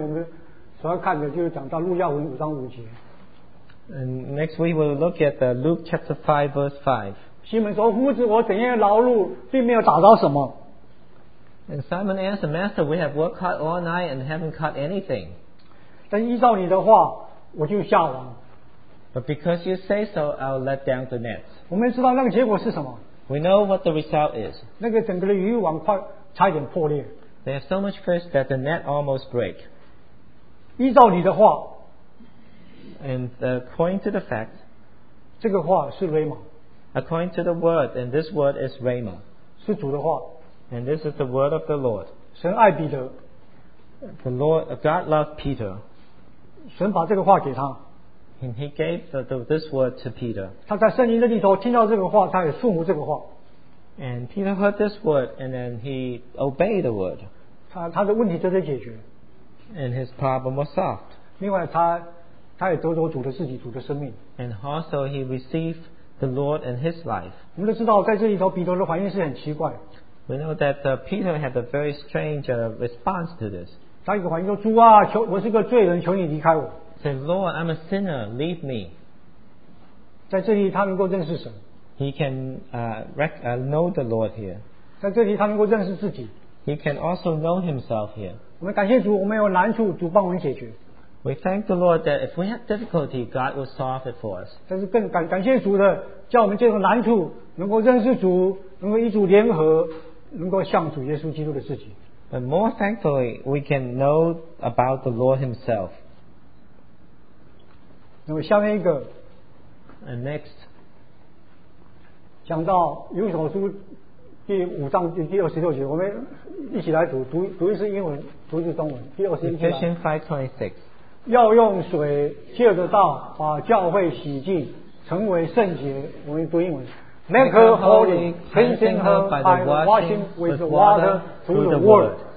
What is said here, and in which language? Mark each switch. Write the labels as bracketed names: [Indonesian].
[Chinese] 那么下面我们所要看的就是讲到路亚文5:5. [English] And next we will look at the Luke chapter 5 verse 5. [Chinese] 西门说，夫子，我怎样劳碌，并没有打着什么。 [English] And Simon answered, Master, we have worked hard all night and haven't caught anything. [Chinese] 但依照你的话，我就下网。 [English] But because you say so, I'll let down the net. [Chinese] 我们知道那个结果是什么。 [English] We know what the result is. [Chinese] 那个整个的渔网快差一点破裂。 [English] They have so much fish that the net almost break. [Chinese] 依照你的话。 [English] And according to the fact, [Chinese] 这个话是 rhema. [English] According to the word, and this word is rhema. [Chinese] 是主的话。 [English] And this is the word of the Lord. [Chinese] 神爱彼得。 [English] The Lord, God loved Peter. [Chinese] 神把这个话给他。 [English] And he gave this word to Peter. [Chinese] 他在圣经的里头听到这个话，他也顺服这个话。 [English] And Peter heard this word, and then he obeyed the word. [Chinese] 他的问题就得解决。 [English] And his problem was solved. [Chinese] 另外他也得着主的自己，主的生命。 [English] And also he received the Lord and his life. [Chinese] 我们都知道，在这里头彼得的反应是很奇怪。 [English] We know that Peter had a very strange response to this. [Chinese] 他一个反应说：“主啊，我是个罪人，求你离开我。” [English] Say, Lord, I'm a sinner, leave me. [Chinese] 在这里，他能够认识神。 [English] He can know the Lord here. [Chinese] 在这里，他能够认识自己。 [English] He can also know himself here. [Chinese] 我们感谢主，我们有难处，主帮我们解决。 [English] We thank the Lord that if we have difficulty, God will solve it for us. [Chinese] 但是更感谢主的，叫我们借着难处能够认识主，能够与主联合。能够像主耶稣基督的自己。 [English] But more thankfully, we can know about the Lord Himself. [Chinese] 那么下面一个。 [English] And next, [Chinese] 讲到以弗所书第五章第二十六节，我们一起来读一次英文，读一次中文。第二十六节。 [English] Ephesians 5:26. [Chinese] 要用水借着道把教会洗净，成为圣洁。我们读英文。 [English] Make her holy, cleansing her by washing with water through the word.